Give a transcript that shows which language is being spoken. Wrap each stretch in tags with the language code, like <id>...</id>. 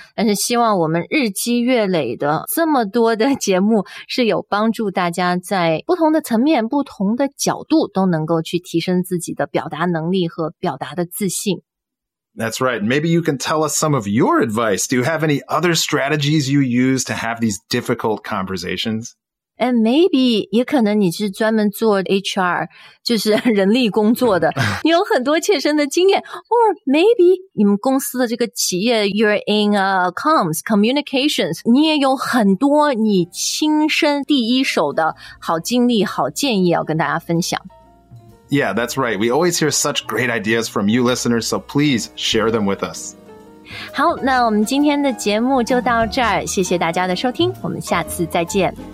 <zh>但是希望我们日积月累的这么多的节目是有帮助大家在不同的层面、不同的角度都能够去提升自己的表达能力和表达的自信。</zh> <en>That's right. Maybe you can tell us some of your advice. Do you have any other strategies you use to have these difficult conversations? And maybe</en> <zh>也可能你是专门做 HR, 就是人力工作的，你有很多切身的经验。</zh> <en>Or maybe</en> <zh>你们公司的这个企业</zh> <en>you're in comms, communications,</en> <zh>你也有很多你亲身第一手的好经历、好建议要跟大家分享。</zh> <en>Yeah, that's right. We always hear such great ideas from you listeners, so please share them with us.</en> <zh>好，那我们今天的节目就到这儿，谢谢大家的收听，我们下次再见。</zh>